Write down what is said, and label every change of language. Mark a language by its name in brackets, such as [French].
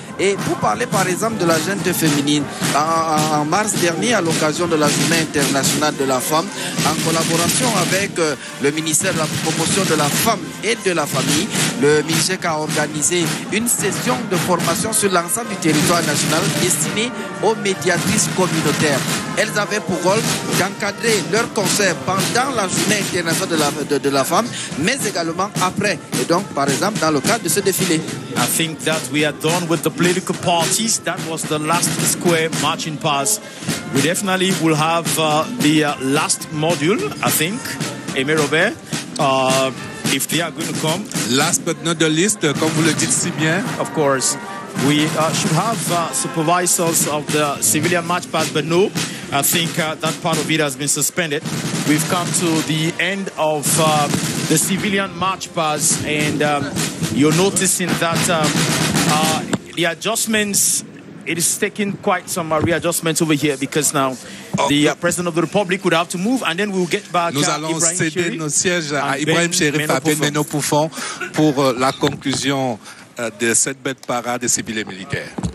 [French] Et pour parler par exemple de la junte féminine, en mars dernier, à l'occasion de la Journée internationale de la femme, en collaboration avec le ministère de la promotion de la femme et de la famille, le MIGEC a organisé une session de formation sur l'ensemble du territoire national destinée aux médiatrices communautaires. Elles avaient pour rôle d'encadrer leurs concerts pendant la Journée internationale de la femme, mais également après, et donc par exemple dans le cadre de ce défilé. [English] I think that we are done with the political parties. That was the last square marching pass. We definitely will have the last module, I think. Aimé Robert, if they are going to come. Last but not the least, [French] comme vous le dites si bien. [English] Of course, we should have supervisors of the civilian march pass, but no, I think that part of it has been suspended. We've come to the end of the civilian march pass, and you're noticing that the adjustments, it is taking quite some readjustments over here, because now the President of the Republic would have to move, and then we'll get back to Ibrahim Chérif. [French] Nous allons céder nos sièges à Ibrahim Chérif, à Ben Meno Poufon, pour la conclusion de cette bête parade des civils et militaires.